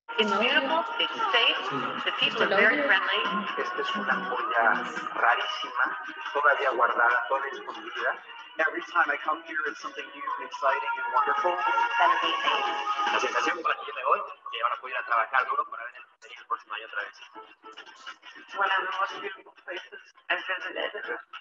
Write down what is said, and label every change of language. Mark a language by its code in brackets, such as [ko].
[en] It's beautiful, it's safe, the people are very friendly. [es] Esta es una joya rarísima, todavía guardada, toda escondida. [en] Every time I come here, it's something new and exciting and wonderful. It's amazing. [es] La sensación para el día de hoy, que van a poder trabajar duro para ver el material el próximo año otra vez. [en] One of the most beautiful places I've visited.